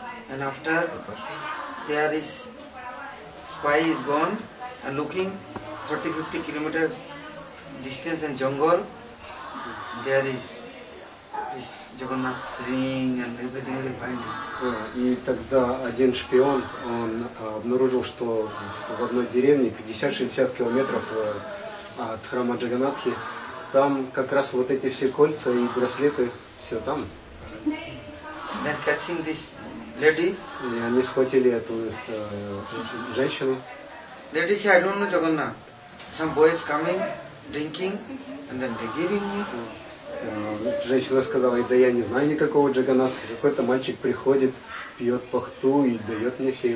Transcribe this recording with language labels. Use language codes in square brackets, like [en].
[en] And after there is spy is gone and looking 30-50 kilometers distance in jungle. There is this Jagannath ring and everything will find it. [ru] И тогда один шпион, он обнаружил, что в одной деревне 50-60 километров от храма Джаганатхи, там как раз вот эти все кольца и браслеты, все там. [en] Then catching this lady. [ru] И они схватили эту женщину. [en] Lady said, I don't know Jagannath. Some boys coming, drinking, and then they giving me. [ru] Женщина сказала, да я не знаю никакого Джаганатха. Какой-то мальчик приходит, пьет пахту и дает мне все